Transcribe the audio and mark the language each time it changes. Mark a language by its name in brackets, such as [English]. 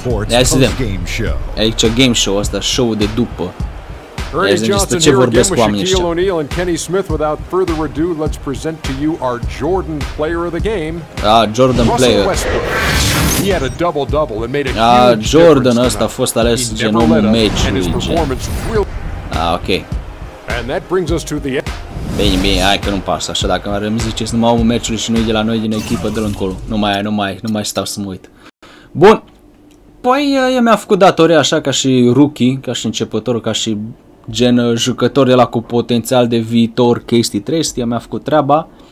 [Romanian] Hai să vedem, aici game show ăsta, show de după. Ce vorbesc cu oamenii ăștia? [English] Ernie Johnson, Kenny Smith, without further ado, let's present to you our Jordan player of the game. Ah, Jordan player. He had a double double and made a huge difference. [Romanian] Jordan ăsta a fost ales genomul meciului. Ah, ok. [English] And that brings us to the end. [Romanian] Bine, bine, hai că nu-mi pasă, așa dacă îmi ziceți numai omul meciului și nu-i de la noi din echipă, de-l încolo. Nu mai stau să mă uit. Bun. Păi, eu mi-a făcut datoria așa ca și rookie, ca și începător, ca și gen jucător de la cu potențial de viitor, chestii trestii, mi-a făcut treaba.